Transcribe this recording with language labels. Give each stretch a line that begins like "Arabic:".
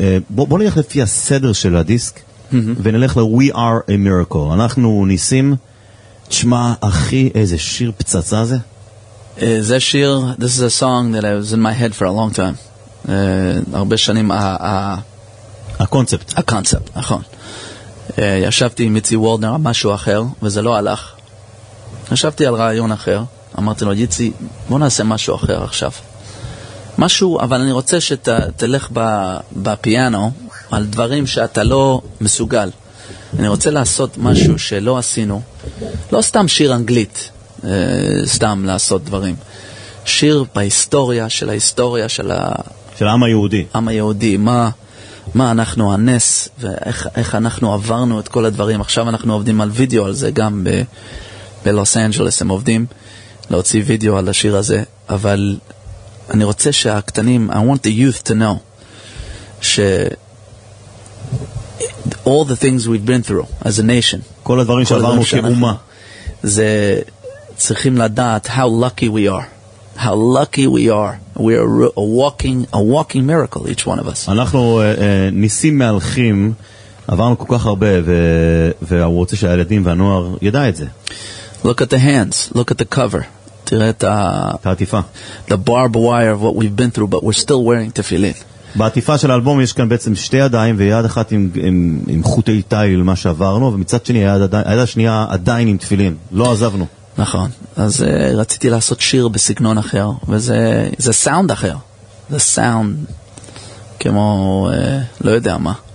Hebrew: בוא נלך לפי הסדר של הדיסק, ונלך ל-We Are a Miracle. אנחנו ניסים, תשמע, אחי, איזה שיר פצצה זה? זה שיר,
English: this is a song that I was in my head for a long time.
Hebrew: הרבה שנים הקונספט, נכון. ישבתי עם יצי וולדנר משהו אחר וזה לא הלך. ישבתי על רעיון אחר, אמרתי לו, יצי, בוא נעשה משהו אחר עכשיו, משהו, אבל אני רוצה שתלך בפיאנו על דברים שאתה לא מסוגל. אני רוצה לעשות משהו שלא עשינו, לא סתם שיר אנגלית, סתם לעשות דברים, שיר בהיסטוריה של ההיסטוריה של של העם היהודי. עם היהודי, מה אנחנו, הנס, ואיך אנחנו עברנו את כל הדברים. עכשיו אנחנו עובדים על וידאו על זה, גם בלוס אנג'לס הם עובדים להוציא וידאו על השיר הזה. אבל אני רוצה שהקטנים,
English: I want the youth to know, ש all the things we've been through as a nation,
Hebrew: כל הדברים שעברנו כאומה, זה צריכים לדעת
English: how lucky we are. How lucky we are. We are a walking miracle, each one of us.
Hebrew: אנחנו ניסים מהלכים, עברנו כל כך הרבה, והוא רוצה שהילדים והנוער ידע את זה.
English: Look at the hands, look at the cover.
Hebrew: תראה את העטיפה.
English: The barbed wire of what we've been through, but we're still wearing tefillin.
Hebrew: בעטיפה של האלבום יש כאן בעצם שתי ידיים, ויד אחת עם חוטי טייל, מה שעברנו, ומצד שני, היד השנייה עדיין עם תפילין. לא עזבנו. נכון, אז רציתי לעשות שיר בסגנון אחר, וזה סאונד אחר. זה סאונד כמו, לא יודע מה.